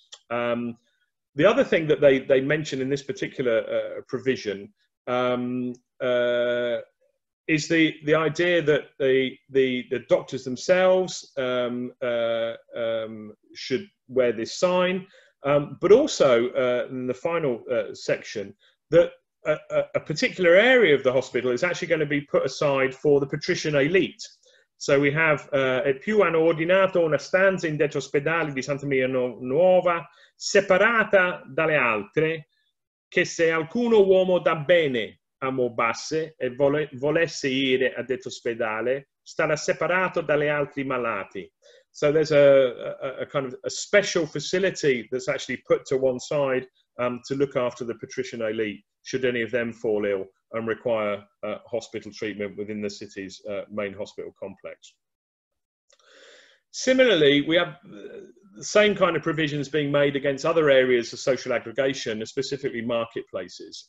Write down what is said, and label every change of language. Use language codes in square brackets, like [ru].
[en] The other thing that they mention in this particular provision is the idea that the doctors themselves should wear this sign, but also in the final section, that a particular area of the hospital is actually going to be put aside for the patrician elite. So we have [it] e più an ordinato una stanza in detto ospedale di Santa Maria Nuova separata dalle altre, che se alcuno uomo da bene ammorbasse e volesse ire a detto ospedale, starà separato dalle altri malati. [en] So there's a kind of a special facility that's actually put to one side to look after the patrician elite, should any of them fall ill and require hospital treatment within the city's main hospital complex. Similarly, we have the same kind of provisions being made against other areas of social aggregation, specifically marketplaces.